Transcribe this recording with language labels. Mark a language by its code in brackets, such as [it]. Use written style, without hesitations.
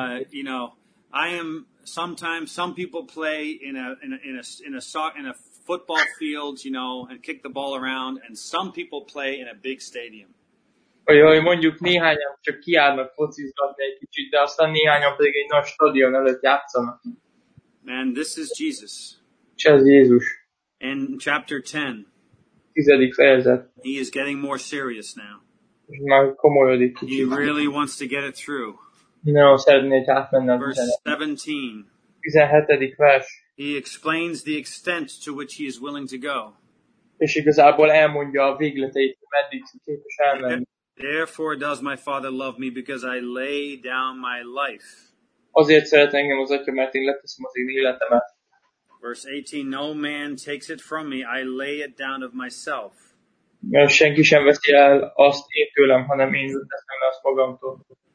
[en] you know, I am sometimes some people play in a football field, you know, and kick the ball around, and some people play in a big stadium. [hu] Olyan, mondjuk néhányan csak kiállnak focizgatni egy kicsit, de aztán néhányan pedig egy nagy stadion előtt játszanak. [en] And this is Jesus. [hu] Ez Jézus. [en] In chapter 10. [hu] 10. fejezet. [en] He is getting more serious now. [hu] Már komolyodik kicsit. [en] He really wants to get it through. [hu] No, szeretné, hogy átmenne a [en] verse 17. [hu] 17. vers. [en] He explains the extent to which he is willing to go. [hu] És igazából elmondja a végleteit, meddig képes elmenni. [en] Therefore does my father love me because I lay down my life. [hu] Azért szeret engem az Atya, mert én leteszem az én életemet. [en] Verse 18, no man takes it from me, I lay it down of myself. [hu] Senki sem veszi el azt én tőlem, hanem én leteszem le azt magamtól.